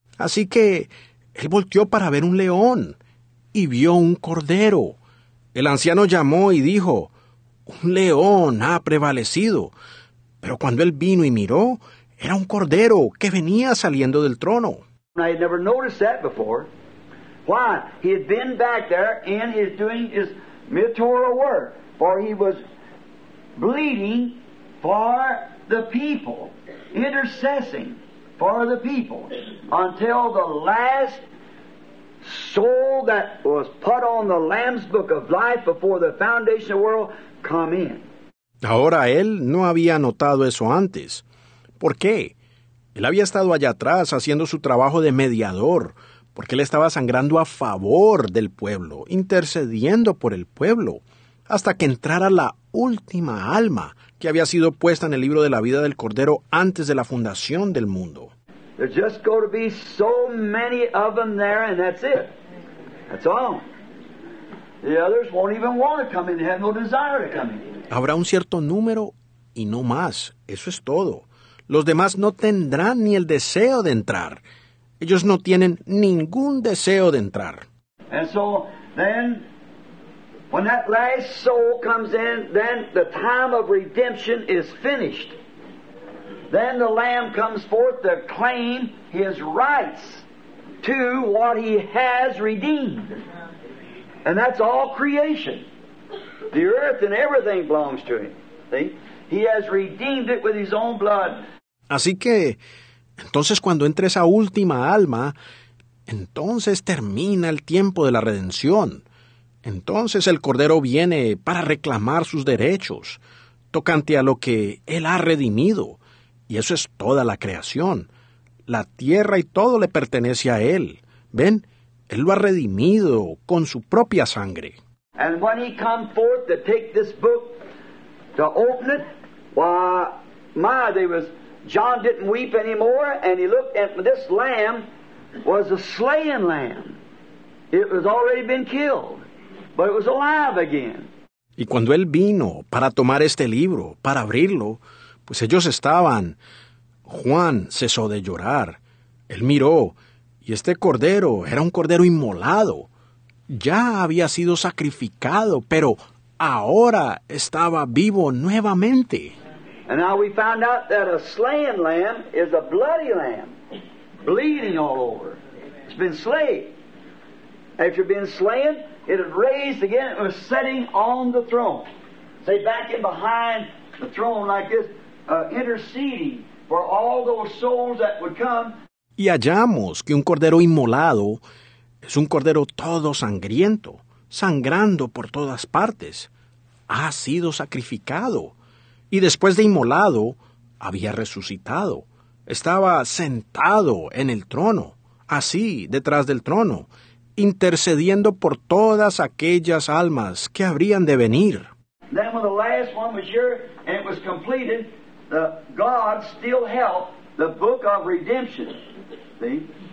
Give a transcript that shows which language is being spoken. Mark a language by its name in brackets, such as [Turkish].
[Spanish] Así que él volteó para ver un león y vio un cordero. El anciano llamó y dijo, un león ha prevalecido. Pero cuando él vino y miró, era un cordero que venía saliendo del trono. [English] I had never noticed that before. Why? He had been back there and he's doing his mediatorial work. For he was bleeding for the people, intercessing for the people, until the last soul that was put on the Lamb's Book of Life before the foundation of the world come in. [Spanish] Ahora él no había notado eso antes. ¿Por qué? Él había estado allá atrás haciendo su trabajo de mediador, porque él estaba sangrando a favor del pueblo, intercediendo por el pueblo. Hasta que entrara la última alma que había sido puesta en el libro de la vida del Cordero antes de la fundación del mundo. [English] There's just going to be so many of them there, and that's it. That's all. The others won't even want to come in. They have no desire to come in. [Spanish] Habrá un cierto número y no más. Eso es todo. Los demás no tendrán ni el deseo de entrar. Ellos no tienen ningún deseo de entrar. [English] And so then, when that last soul comes in, then the time of redemption is finished. Then the Lamb comes forth to claim his rights to what he has redeemed. And that's all creation. The earth and everything belongs to him. See? He has redeemed it with his own blood. [Spanish] Así que Entonces, cuando entra esa última alma, entonces termina el tiempo de la redención. Entonces el Cordero viene para reclamar sus derechos tocante a lo que Él ha redimido. Y eso es toda la creación. La tierra y todo le pertenece a Él. ¿Ven? Él lo ha redimido con su propia sangre. [English] And when he come forth to take this book, to open it, why, my, there was, John didn't weep anymore, and he looked, and this lamb was a slain lamb. It was already been killed, but it was alive again. [Spanish] Y cuando él vino para tomar este libro, para abrirlo, pues ellos estaban, Juan cesó de llorar. Él miró, y este cordero era un cordero inmolado. Ya había sido sacrificado, pero ahora estaba vivo nuevamente. [English] And now we found out that a slain lamb is a bloody lamb, bleeding all over. It's been slain. After been slain, it had raised again. It was sitting on the throne. Say, back in behind the throne like this, interceding for all those souls that would come. [Spanish] Y hallamos que un cordero inmolado es un cordero todo sangriento, sangrando por todas partes. Ha sido sacrificado. Y después de inmolado, había resucitado. Estaba sentado en el trono, así, detrás del trono, intercediendo por todas aquellas almas que habrían de venir. [English] Then when the last one was here and it was completed, the God still held the book of redemption. See?